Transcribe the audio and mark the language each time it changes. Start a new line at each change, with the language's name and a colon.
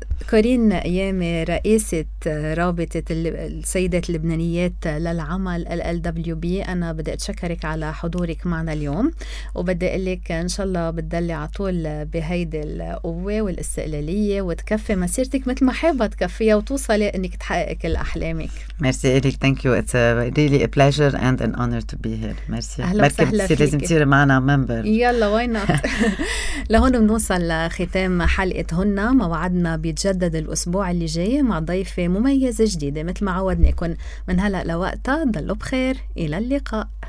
Arabic: كورين أيامي، رئيسة رابطة السيدات اللبنانيات للعمل LLWB، أنا بدي أتشكرك على حضورك معنا اليوم، وبدي أقولك إن شاء الله بتدلي عطول بهيد القوة والاستقلالية، وتكفي مسيرتك مثل ما حابة تكفيها، وتوصلي أنك تحقق كل أحلامك. مرسي إليك.
English: Thank you. It's really a pleasure and an honor to be here.
Arabic: مرسي. أهلا وسهلا فيك. لازم تصير معنا ممبر. يلا وين. لهون بنوصل لختام حلقة هنا. موعدنا بيتجدد الأسبوع اللي جاي مع ضيفة مميزة جديدة، مثل ما عودناكن. من هلأ لوقتها ضلوا بخير، إلى اللقاء.